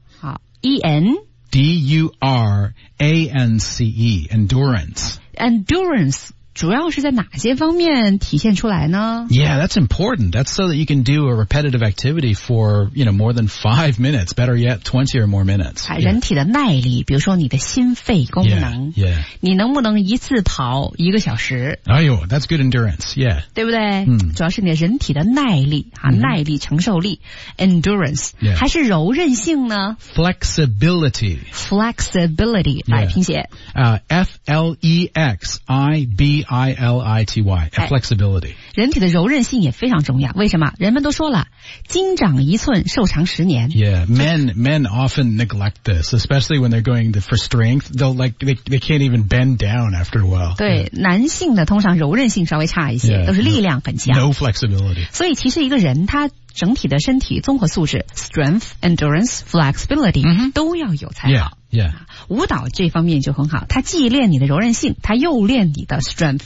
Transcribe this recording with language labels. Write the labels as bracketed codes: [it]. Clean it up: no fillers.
[en] 好 EN DURANCE, endurance. [zh] Endurance, 主要是在哪些方面体现出来呢 [en] Yeah, that's important. That's so that you can do a repetitive activity for, you know, more than 5 minutes. Better yet, 20 or more minutes.、 Yeah. [zh] 人体的耐力比如说你的心肺功能 [en] yeah, yeah. [zh] 你能不能一次跑一个小时哎呦 [en] that's good endurance, yeah. [zh] 对不对、 mm. 主要是你的人体的耐力、啊 mm. 耐力承受力 endurance,、 [en] yeah. [zh] 还是柔韧性呢 [en] Flexibility. Flexibility,、 yeah. 来拼写。 F-L-E-X-I-B-I-L-I-T-Y. flexibility, flexibility. [zh] 人体的柔韧性也非常重要。为什么？人们都说了，筋长一寸，寿长十年。 [en] Yeah, men often neglect this, especially when they're going for strength. They'll like, they can't even bend down after a while. [zh] 对、yeah. 男性的通常柔韧性稍微差一些 [en] yeah, [zh] 都是力量很强。 [en] No flexibility. [zh] 所以其实一个人他整体的身体综合素质 [en] strength, endurance, flexibility、 [zh] mm-hmm. 都要有才好。 [en] Yeah. Yeah. [zh] 舞蹈这方面就很好，它既练你的柔韧性，它又练你的 strength、